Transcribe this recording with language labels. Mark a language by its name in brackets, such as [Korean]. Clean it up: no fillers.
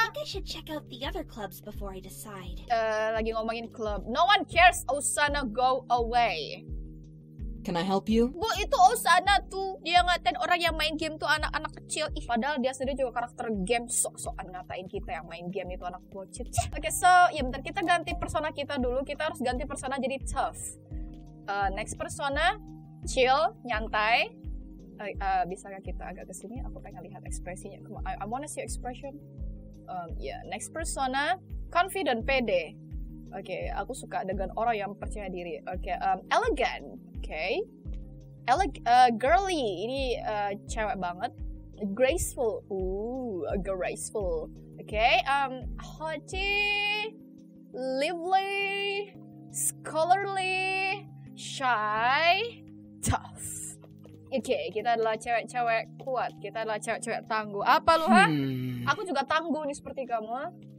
[English] But I think I should check out the other clubs before I decide. [Indonesian] Lagi ngomongin club. [English] No one cares, Osana, go away. Can I help you? [Indonesian] Bu, itu Osana tuh. Dia ngatain orang yang main game tuh anak-anak kecil. Ih, padahal dia sendiri juga karakter game. Sok-sokan ngatain kita yang main game itu anak bocil. Okay, so, ya bentar. Kita ganti persona kita dulu. Kita harus ganti persona jadi tough. [English] Next persona, chill, [Indonesian] nyantai. Bisakah kita agak kesini? Aku pengen lihat ekspresinya. [English] I wanna see your expression. Next persona, confident, pede. [Indonesian] Okay, aku suka dengan orang yang percaya diri. [English] Okay, elegant. Okay, girly. [Indonesian] Ini cewek banget. [English] Graceful. Graceful. Okay, haughty, lively, scholarly, shy, tough. [Indonesian] Okay, kita adalah cewek-cewek kuat. Kita adalah cewek-cewek tangguh. Apa lu, ha? Aku juga tangguh nih seperti kamu.